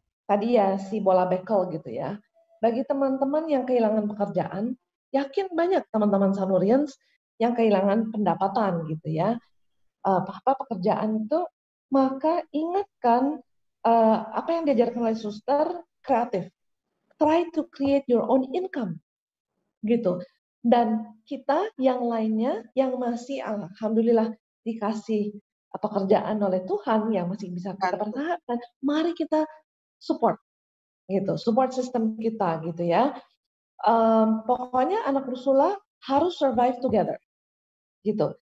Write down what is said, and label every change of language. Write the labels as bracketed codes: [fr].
[id] Tadi ya, si bola bekel gitu ya. Bagi teman-teman yang kehilangan pekerjaan, yakin banyak teman-teman Sanurians yang kehilangan pendapatan gitu ya. Apa pekerjaan itu, maka ingatkan apa yang diajarkan oleh suster, kreatif. [en] Try to create your own income. [id] Gitu. Dan kita yang lainnya yang masih alhamdulillah dikasih pekerjaan oleh Tuhan yang masih bisa kita pertahankan, mari kita support gitu, support sistem kita gitu ya. Pokoknya anak Ursula harus [en] survive together [id] gitu.